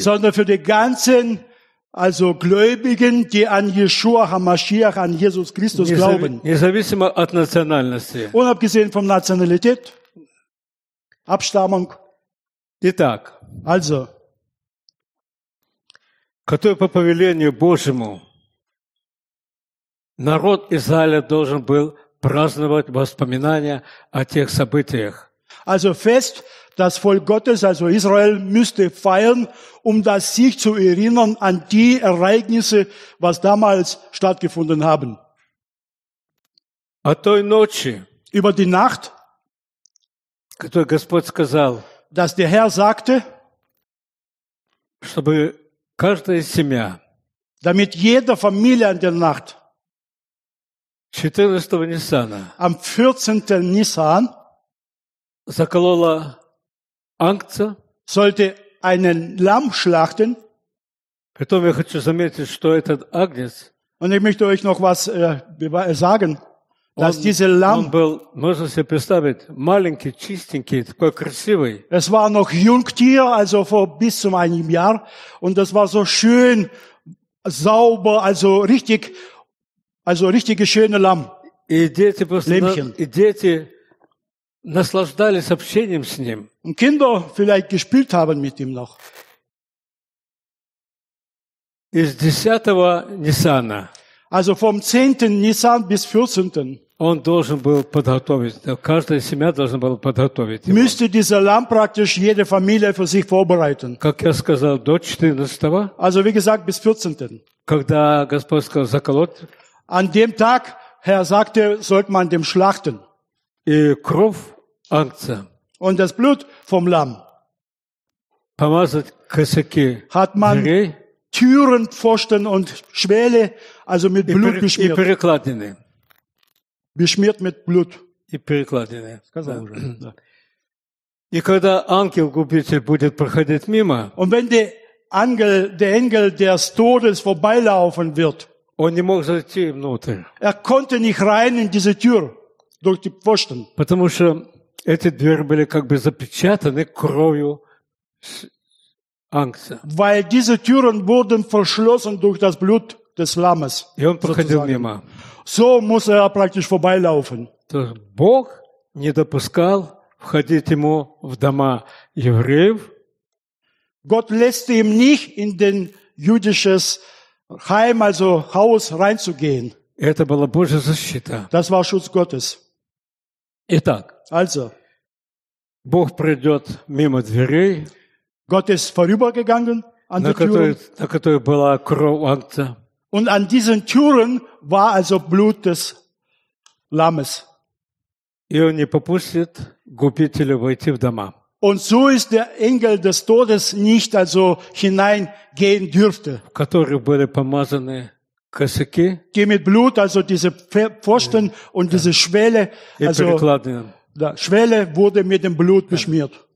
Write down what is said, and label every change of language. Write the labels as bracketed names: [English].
[German] sondern für die ganzen, also Gläubigen, die an Иешуа Хамашиах, an Jesus Christus glauben. [Russian] Независимо от национальности. [German] Unabgesehen von Nationalität, Abstammung. [Russian] Итак, [German] also, [Russian] который по повелению Божьему народ Израиля должен был праздновать воспоминания о тех событиях. [German] Also fest, das Volk Gottes, also Israel, müsste feiern, um das sich zu erinnern an die Ereignisse, was damals stattgefunden haben. [Russian] О той ночи, [German] über die Nacht, [Russian] которую Господь сказал, [German] dass der Herr sagte, [Russian] чтобы каждая семья. [German] Damit jede Familie in der Nacht. [Russian] 14-го Ниссана. [German] Am 14. Nissan. [Russian] Заколола ангца. [German] Sollte einen Lamm schlachten. [Russian] Потом я хочу заметить, что этот агнец. [German] Und ich möchte euch noch was sagen, dass dieser Lamm. [Russian] Он был, можно себе представить, маленький, чистенький, такой красивый. [German] Es war noch Jungtier, also vor bis zu einem Jahr, und das war so schön, sauber, also richtig schöne Lamm. [Russian] И дети просто, и дети наслаждались общением с ним. [German] Und Kinder vielleicht gespielt haben mit ihm noch. [Russian] Из 10-го Нисана. [German] Also vom 10. Nisan bis 14. [Russian] Он должен был подготовить, каждая семья должна была подготовить его. [German] Müsste dieser Lamm praktisch jede Familie für sich vorbereiten. [Russian] Как я сказал, до 14-го. [German] Also wie gesagt, bis 14. [Russian] Когда Господь сказал, заколоть. [German] An dem Tag, Herr sagte, sollte man dem schlachten. [Russian] И кровь ангца. [German] Und das Blut vom Lamm. [Russian] Помазать косяки. [German] Hat man Türen, Pfosten und Schwelle, also mit Blut geschmiert. [Russian] И перекладины. [German] Beschmiert mit Blut. [Russian] И перекладины. Сказал уже. И когда ангел-губитель будет проходить мимо, [German] und wenn der Engel des Todes vorbeilaufen wird, [Russian] он не мог зайти внутрь. [German] Er konnte nicht rein in diese Tür, durch die Pfosten. [Russian] Потому что Эти двери были как бы запечатаны кровью Агнца. [German] Weil diese Türen wurden verschlossen durch das Blut des Lammes. [Russian] И он проходил мимо. [German] So muss er praktisch vorbeilaufen. [Russian] То есть Бог не допускал входить ему в дома евреев. [German] Gott lässt ihm nicht in den jüdisches Heim, also Haus, reinzugehen. [Russian] Это была Божья защита. [German] Das war Schutz Gottes. [Russian] Итак, [German] also, [Russian] Бог пройдет мимо дверей, [German] Gott ist vorübergegangen an [Russian] на, которой, Türen, на которой была кровь Агнца. [German] Und an diesen Türen war also Blut des Lammes. [Russian] И он не попустит губителю войти в дома. [German] Und so ist der Engel des Todes nicht also hineingehen dürfte. [Russian] В который были помазаны косяки. [German] Die mit Blut, also diese Pfosten und diese Schwelle, also die Schwelle wurde mit dem Blut beschmiert.